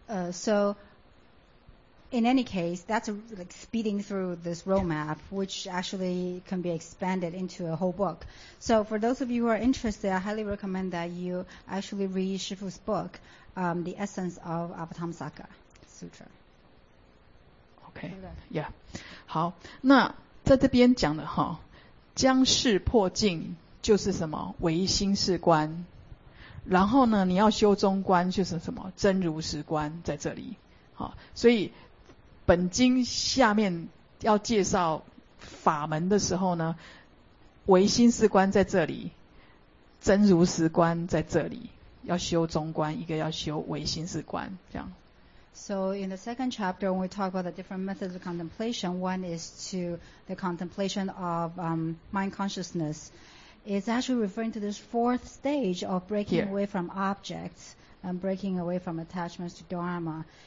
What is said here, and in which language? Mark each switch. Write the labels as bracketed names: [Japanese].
[English] So in any case that's like speeding through this roadmap which actually can be expanded into a whole book. So for those of you who are interested I highly recommend that you actually read 师父's book、The Essence of Avatamsaka Sutra. Okay. Yeah. [Chinese] 好，那在这边讲的哈，将事破尽就是什么唯心是观，然后呢，你要修中观就是什么真如实观在这里。好，所以本经下面要介绍法门的时候呢，唯心是观在这里，真如实观在这里，要修中观，一个要修唯心是观，这样。 [English] So in the second chapter, when we talk about the different methods of contemplation, one is to the contemplation of mind consciousness. It's actually referring to this fourth stage of breaking、 Here. away from objects and breaking away from attachments to Dharma.